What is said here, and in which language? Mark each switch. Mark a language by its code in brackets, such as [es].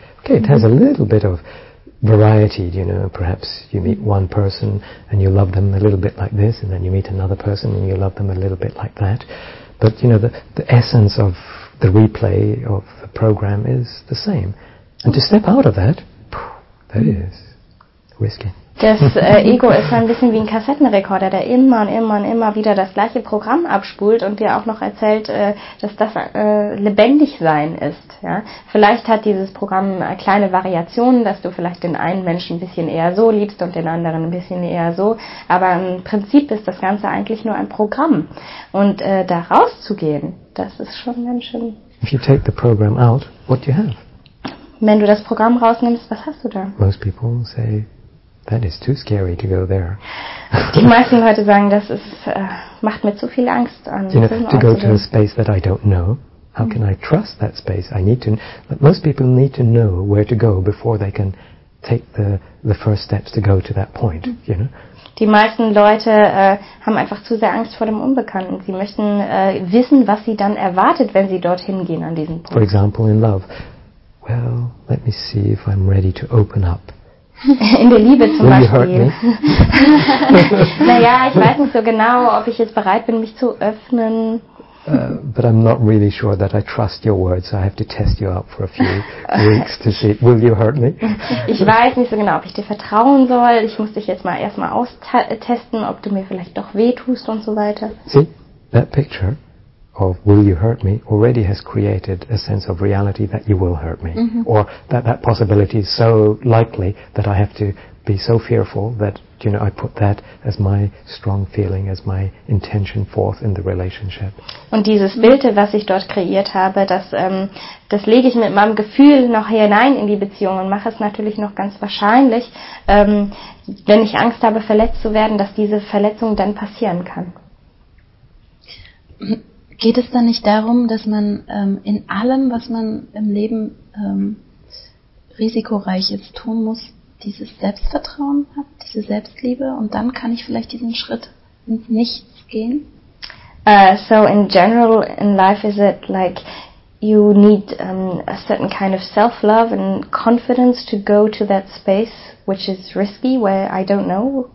[en] Okay, it has a little bit of variety, you know. Perhaps you meet one person and you love them a little bit like this, and then you meet another person and you love them a little bit like that. But, you know, the essence of the replay of the program is the same. And to step out of that, that is risky. [de] Das Ego ist ein bisschen wie ein Kassettenrekorder, der immer und immer und immer wieder das gleiche Programm abspult und dir auch noch erzählt, dass das lebendig sein ist. Ja? Vielleicht hat dieses Programm kleine Variationen, dass du vielleicht den einen Menschen ein bisschen eher so liebst und den anderen ein bisschen eher so. Aber im Prinzip ist das Ganze eigentlich nur ein Programm. Und da rauszugehen, das ist schon ganz schön. [en] If you take the program out, what do you have? [de] Wenn du das Programm rausnimmst, was hast du da? [en] Most people say, that is too scary to go there. [de] Die meisten Leute sagen, das ist macht mir zu viel Angst an. [en] You know, to go to a space that I don't know. How can I trust that space? I need to. But most people need to know where to go before they can take the first steps to go to that point. You know. [de] Die meisten Leute haben einfach zu sehr Angst vor dem Unbekannten. Sie möchten wissen, was sie dann erwartet, wenn sie dorthin gehen an diesen Punkt. [en] For example, in love, well, let me see if I'm ready to open up. [de] In der Liebe zum Beispiel. Naja, ich weiß nicht so genau, ob ich jetzt bereit bin, mich zu öffnen. [en] But I'm not really sure that I trust your words. I have to test you out for a few weeks to see. Will you hurt me? [de] Ich weiß nicht so genau, ob ich dir vertrauen soll. Ich muss dich jetzt mal erstmal austesten, ob du mir vielleicht doch wehtust und so weiter. [en] See, that picture of will you hurt me already has created a sense of reality that you will hurt me. Mm-hmm. Or that possibility is so likely that I have to be so fearful that, you know, I put that as my strong feeling, as my intention forth in the relationship. [de] Und dieses Bild, was ich dort kreiert habe, das lege ich mit meinem Gefühl noch hinein in die Beziehung und mache es natürlich noch ganz wahrscheinlich, wenn ich Angst habe, verletzt zu werden, dass diese Verletzung dann passieren kann. Geht es dann nicht darum, dass man in allem, was man im Leben Risikoreiches tun muss, dieses Selbstvertrauen hat, diese Selbstliebe, und dann kann ich vielleicht diesen Schritt ins Nichts gehen? [en] So in general, in life, is it like you need a certain kind of self-love and confidence to go to that space, which is risky, where I don't know?